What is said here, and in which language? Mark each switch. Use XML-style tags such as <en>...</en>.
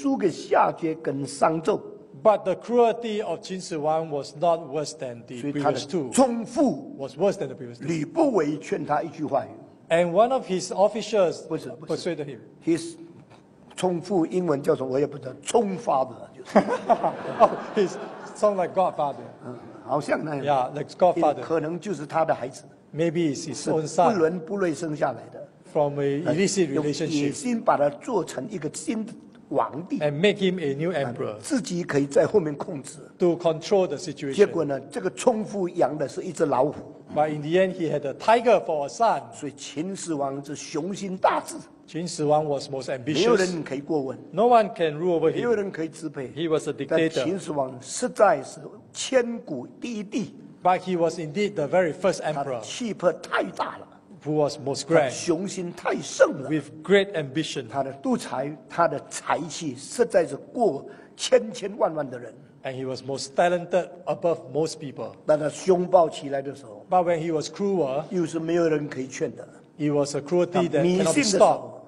<zh>但是秦始皇的残暴一点没有输给夏桀跟商纣。</zh> <en>But the cruelty of 秦始皇 was not worse than the previous two.</en> <zh>所以他的忠父,</zh> <en>was worse than the previous two.</en> <zh>吕不韦劝他一句话语。</zh> <en>And one of his officials persuaded him.</en> <zh>His 重父 英文叫什么我也不知道, 重father,</zh> <en>oh, his sound like godfather.</en> <zh>好像那样,</zh> <en>yeah, like godfather.</en> <zh>可能就是他的孩子,</zh> <en>maybe it's his own son.</en> <zh>不伦不类生下来的,</zh> <en>from an illicit relationship. And make him a new emperor.</en> <zh>自己可以在后面控制,</zh> <en>to control the situation.</en> <zh>结果呢, 这个重父养的是一只老虎。</zh> <en>But in the end, he had a tiger for a son.</en> <zh>所以秦始皇是雄心大志。</zh> <en>秦始皇 was most ambitious.</en> <zh>没有人可以过问。</zh> <en>No one can rule over him.</en> <zh>没有人可以支配。</zh> <en>He was a dictator.</en> <zh>但秦始皇实在是千古第一帝。</zh> <en>But he was indeed the very first emperor.</en> <zh>他气魄太大了。</zh> <en>Who was most grand.</en> <zh>雄心太盛了。</zh> <en>With great ambition.</en> <zh>他的独裁，他的才气，实在是过千千万万的人。</zh> <en>And he was most talented above most people.</en> <zh>但他凶暴起来的时候,</zh> <en>but when he was cruel,</en> <zh>又是没有人可以劝的,</zh> <en>it was a cruelty that cannot be stopped.</en>